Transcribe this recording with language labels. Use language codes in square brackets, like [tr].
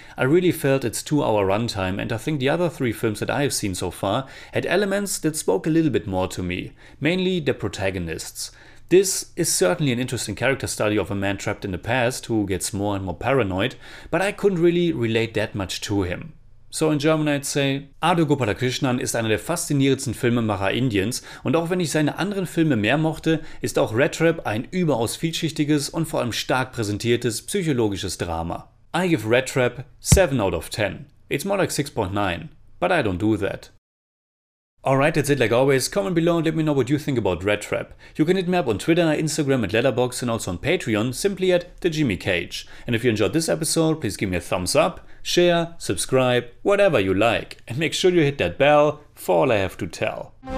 [en] I really felt its 2-hour runtime and I think the other three films that I have seen so far had elements that spoke a little bit more to me, mainly the protagonists. This is certainly an interesting character study of a man trapped in the past who gets more and more paranoid, but I couldn't really relate that much to him. So in German I'd say, [de] Adoor Gopalakrishnan ist einer der faszinierendsten Filmemacher Indiens und auch wenn ich seine anderen Filme mehr mochte, ist auch Rat Trap ein überaus vielschichtiges und vor allem stark präsentiertes psychologisches Drama. [en] I give Rat Trap 7 out of 10. It's more like 6.9, but I don't do that. Alright, that's it like always. Comment below and let me know what you think about Rat Trap. You can hit me up on Twitter, Instagram at Letterboxd and also on Patreon, simply at The Jimmy Cage. And if you enjoyed this episode, please give me a thumbs up, share, subscribe, whatever you like. And make sure you hit that bell for all I have to tell.